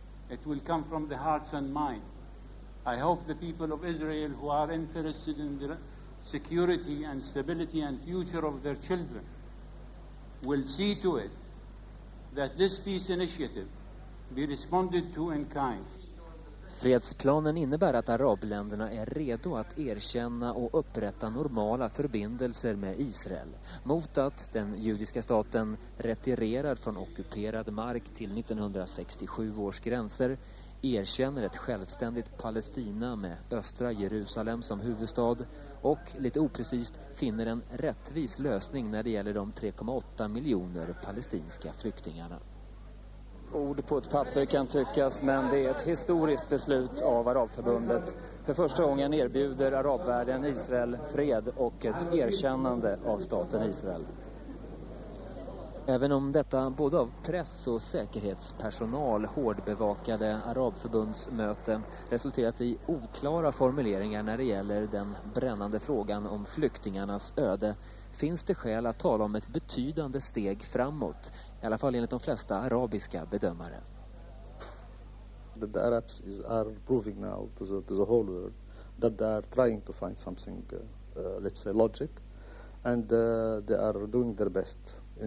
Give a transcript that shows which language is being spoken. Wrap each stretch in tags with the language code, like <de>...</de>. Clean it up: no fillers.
<en>It will come from the hearts and minds. I hope the people of Israel who are interested in the security and stability and future of their children will see to it that this peace initiative be responded to in kind.</en> <sv>Fredsplanen innebär att arabländerna är redo att erkänna och upprätta normala förbindelser med Israel mot att den judiska staten retirerar från ockuperad mark till 1967 års gränser, erkänner ett självständigt Palestina med östra Jerusalem som huvudstad och, lite oprecist, finner en rättvis lösning när det gäller de 3,8 miljoner palestinska flyktingarna. Ord på ett papper kan tyckas, men det är ett historiskt beslut av Arabförbundet. För första gången erbjuder arabvärlden Israel fred och ett erkännande av staten Israel. Även om detta både av press och säkerhetspersonal hårdbevakade arabförbundsmöte resulterat i oklara formuleringar när det gäller den brännande frågan om flyktingarnas öde, finns det skäl att tala om ett betydande steg framåt, i alla fall enligt de flesta arabiska bedömare.</sv> <en>The Arabs are proving now to the whole world that they are trying to find something, let's say logic, and they are doing their best.</en>